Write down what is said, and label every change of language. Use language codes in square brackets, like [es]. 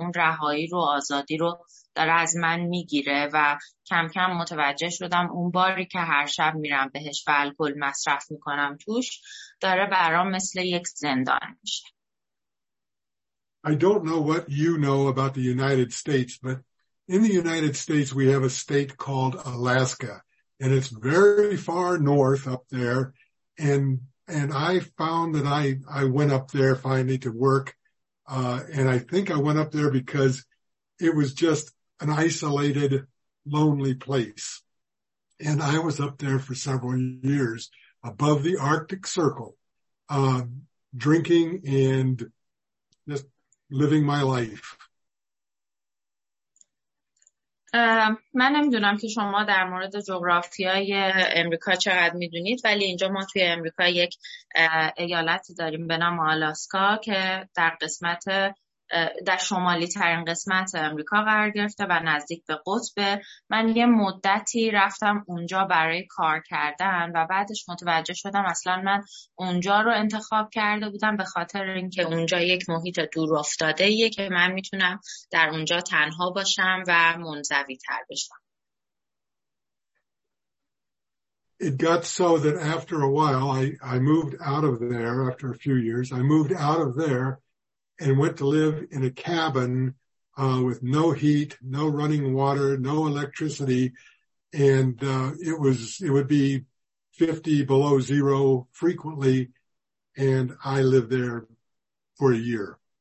[fa] اون رهایی رو، آزادی رو داره از من میگیره و کم کم متوجه شدم اون باری که هر شب میرم بهش و الکل مصرف میکنم توش، داره برام مثل یک زندان میشه. [en] I don't know what you know about the United States, but in the United States, we have a state called Alaska, and it's very far north up there. And I found that I went up there finally to work. And I think I went up there because it was just an isolated, lonely place. And I was up there for several years above the Arctic Circle, drinking and just living my life. [fa] من نمیدونم که شما در مورد جغرافیای امریکا چقدر میدونید، ولی اینجا ما توی امریکا یک ایالتی داریم به نام آلاسکا که در قسمت در شمالی ترین قسمت امریکا قرار گرفته و نزدیک به قطب. من یه مدتی رفتم اونجا برای کار کردن و بعدش متوجه شدم اصلا من اونجا رو انتخاب کرده بودم به خاطر اینکه اونجا یک محیط دور افتاده‌ایه که من میتونم در اونجا تنها باشم و منزوی تر بشم. [en] It got so that after a while I moved out of there. After a few years I moved out of there and went to live in a cabin with no heat, no running water, no electricity, and it would be 50 below zero frequently, and I lived there for a year.